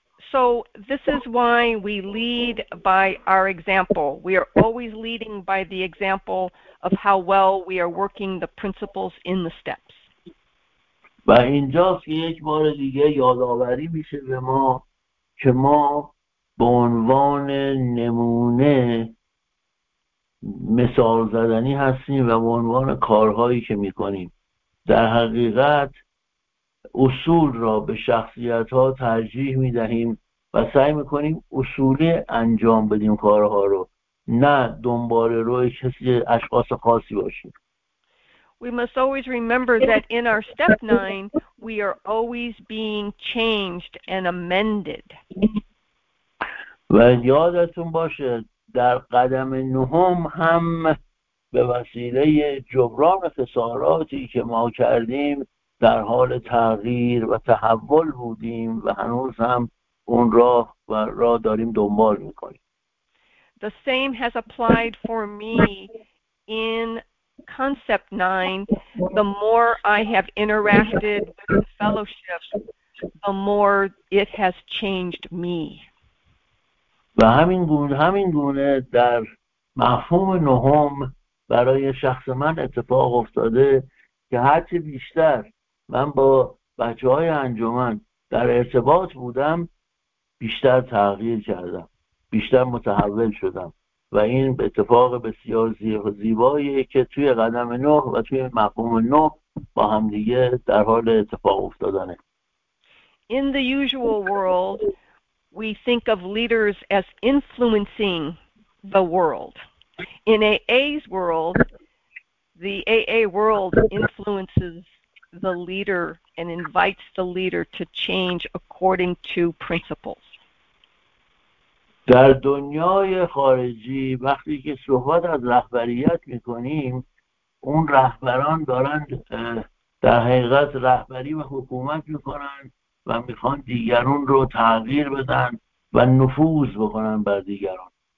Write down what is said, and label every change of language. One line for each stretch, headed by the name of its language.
English: So this is why we lead by our example. We are always leading by the example of how well we are working the principles in the steps.
Persian: و اینجا یک بار دیگه یادآوری میشه به ما که ما به عنوان نمونه مثال زدنی هستیم و به عنوان کارهایی که میکنیم در حقیقت اصول را به شخصیت ها ترجیح میدهیم و سعی میکنیم اصولی انجام بدیم کارها رو، نه دنبال روی کسی اشخاص خاصی باشیم.
English: We must always remember that in our step 9 we are always being changed and amended.
Persian: و یادتون باشه در قدم نهم هم به وسیله جبران خساراتی که ما کردیم در حال تغییر و تحول بودیم و هنوز هم اون راه و را داریم دنبال میکنیم.
English: The same has applied for me in concept 9. The more I have interacted with the fellowship, the more it has changed me.
Persian: و همین گونه در مفهوم نهم برای شخص من اتفاق افتاده که هرچی بیشتر من با بچه های انجمن در ارتباط بودم بیشتر تغییر کردم، بیشتر متحول شدم، و این اتفاق بسیار زیباییه که توی قدم نه و توی مفهوم نه با همدیگه در حال اتفاق افتادنه.
English: In the usual world we think of leaders as influencing the world. In AA's world, the AA world influences the leader and invites the leader to change according to principles.
Persian: در دنیای خارجی وقتی که صحبت از رهبریت می‌کنیم، اون رهبران دارن در حقیقت رهبری و حکومت میکنن و میخوان دیگران رو تغییر بدن و نفوذ بکنن بر دیگران.